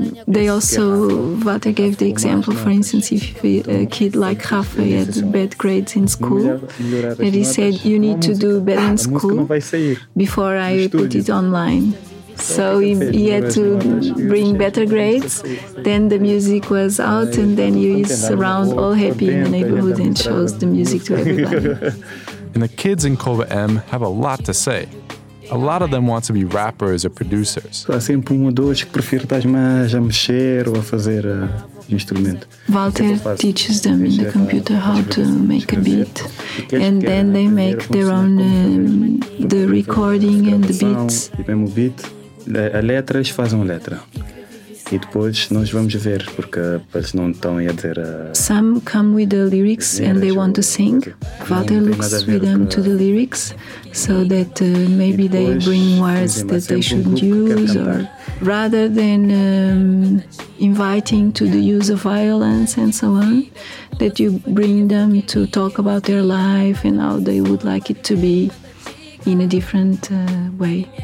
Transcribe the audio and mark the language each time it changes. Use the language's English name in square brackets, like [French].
[English] They also, Walter gave the example, for instance, if a kid like Rafa had bad grades in school, and he said, you need to do better in school before I put it online. So he had to bring better grades, then the music was out, and then he is around all happy in the neighborhood and shows the music to everybody. And the kids in Cova M have a lot to say. A lot of them want to be rappers or producers. [Portuguese] Há sempre um ou dois que prefere estar mais a mexer ou a fazer instrumento. [English] Walter teaches them in the computer how to make a beat, and then they make their own the recording and the beats. [Portuguese] A letras fazem uma letra e depois nós vamos ver porque eles não estão a dizer. [English] Some come with the lyrics and they want to sing. Walter looks with them to the lyrics so that maybe they bring words that they shouldn't use, or rather than inviting to the use of violence and so on, that you bring them to talk about their life and how they would like it to be in a different way.